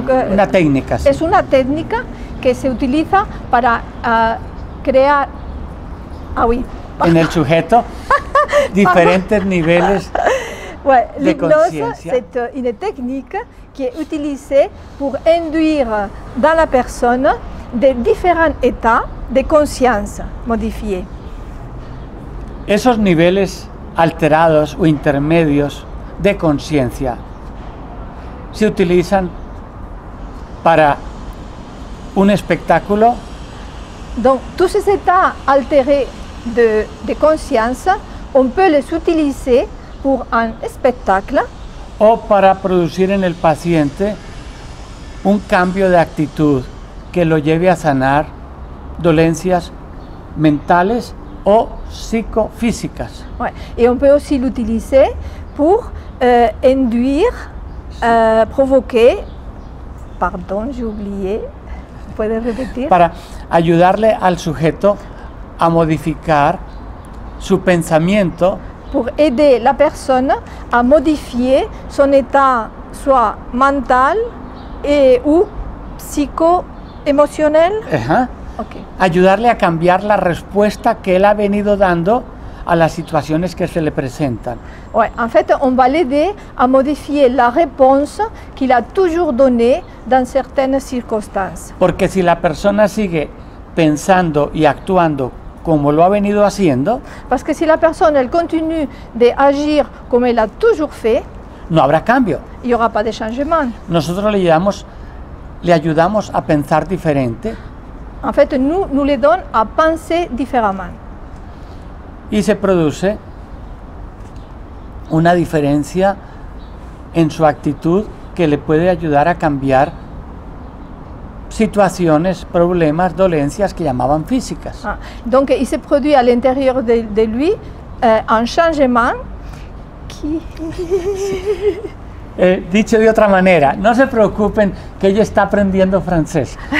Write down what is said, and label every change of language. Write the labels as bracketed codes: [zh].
[es] una técnica. Sí. Es una técnica que se utiliza para crear en el sujeto diferentes niveles. [fr] Ouais, l'hypnose, c'est une technique qui est utilisée pour induire dans la personne des différents états de conscience modifiés. [es] Esos niveles alterados o intermedios de conciencia se utilizan para un espectáculo. [fr] Donc, tous ces états altérés de conscience, on peut les utiliser pour un spectacle [es] o para producir en el paciente un cambio de actitud que lo lleve a sanar dolencias mentales o psicofísicas. [fr] Ouais. Et on peut aussi l'utiliser pour induire, provoquer, pardon, j'ai oublié, [es] ¿puedes repetir? Para ayudarle al sujeto a modificar su pensamiento. [fr] Pour aider la personne à modifier son état, soit mental et ou psycho-émotionnel. Okay. [es] Ayudarle a cambiar la respuesta que él ha venido dando a las situaciones que se le presentan. [fr] Ouais, en fait, on va l'aider à modifier la réponse qu'il a toujours donnée dans certaines circonstances. [es] Porque si la persona sigue pensando y actuando como lo ha venido haciendo, [fr] parce que si la personne elle continue d'agir comme elle a toujours fait, [es] no habrá cambio. [fr] Y aura pas de changement. [es] Nosotros le ayudamos a pensar diferente. [fr] En fait, nous le donnons à penser différemment. [es] y se produce una diferencia en su actitud que le puede ayudar a cambiar situaciones, problemas, dolencias que llamaban físicas. [fr] Ah, donc il se produit à l'intérieur de lui un changement qui... [es] dicho de otra manera, no se preocupen que ella está aprendiendo francés.